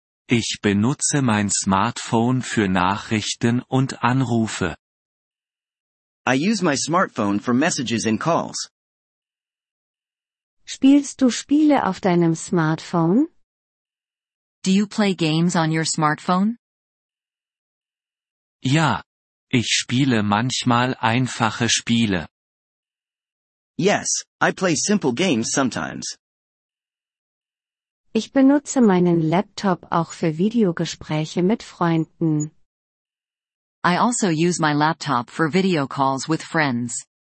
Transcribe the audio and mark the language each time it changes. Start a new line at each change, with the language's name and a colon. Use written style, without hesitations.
German: Ich benutze mein Smartphone für Nachrichten und Anrufe.
English: I use my smartphone for messages and calls.
German: Spielst du Spiele auf deinem Smartphone?
English: Do you play games on your smartphone?
German: Ja, ich spiele manchmal einfache Spiele.
English: Yes, I play simple games sometimes.
German: Ich benutze meinen Laptop auch für Videogespräche mit Freunden.
English: I also use my laptop for video calls with friends.